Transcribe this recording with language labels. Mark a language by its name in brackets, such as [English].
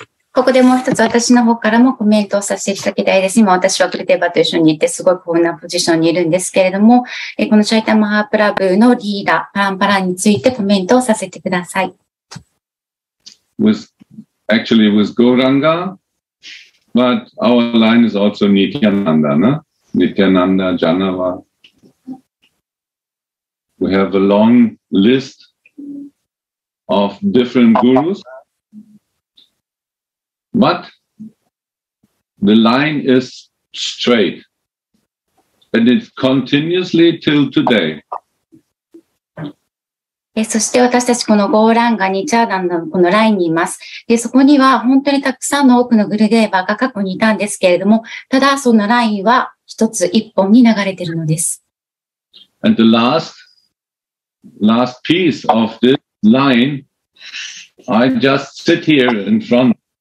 [Japanese] ここでもう一つ私の方からもコメントをさせていただきたいです。今私はグルデーバーと一緒にいてすごい幸運なポジションにいるんですけれども、このチャイタマハープラブのリーダー、パランパラについてコメントをさせてください。 [English] Actually, it was Gauranga, but our line is also Nityananda, no? Nityananda, Janava. We have a long list of different gurus. But the line is straight and it's continuously till today. [Japanese] そして私たちこのゴーランガニチャーダンのこのラインにいます。で、そこには本当にたくさんの多くのグルデーバーが過去にいたんですけれども、ただそのラインは一つ一本に流れているのです。 [English] And the last piece of this line, I just sit here in front.